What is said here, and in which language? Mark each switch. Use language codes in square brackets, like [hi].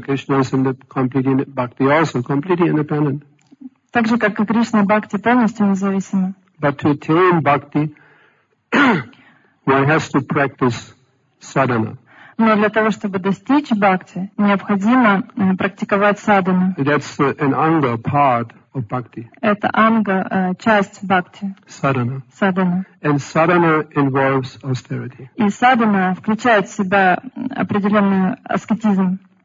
[en] Krishna is in the completely bhakti also completely independent. [ru] Так же, как и Кришна, бхакти полностью независима. [en] But to attain bhakti, one has to practice sadhana. [ru] Но для того, чтобы достичь бхакти, необходимо практиковать садхану. [en] That's an anga, part of bhakti. [ru] Это анга, часть бхакти. [en] Sadhana. Sadhana. And sadhana involves austerity. [ru] И садхана включает в себя определенный аскетизм.